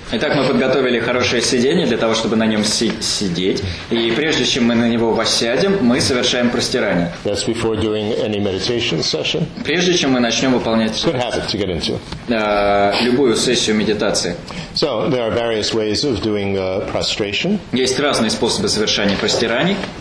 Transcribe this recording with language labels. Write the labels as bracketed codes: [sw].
[ru] Итак, мы подготовили хорошее сиденье для того, чтобы на нем сидеть, и прежде чем мы на него воссядем, мы совершаем простирание. [en] That's before doing any meditation session. [ru] Прежде чем мы начнем выполнять [en] Good habit to get into. [ru] Любую сессию медитации. [en] So there are various ways of doing prostration. [ru] Есть разные способы совершения простираний.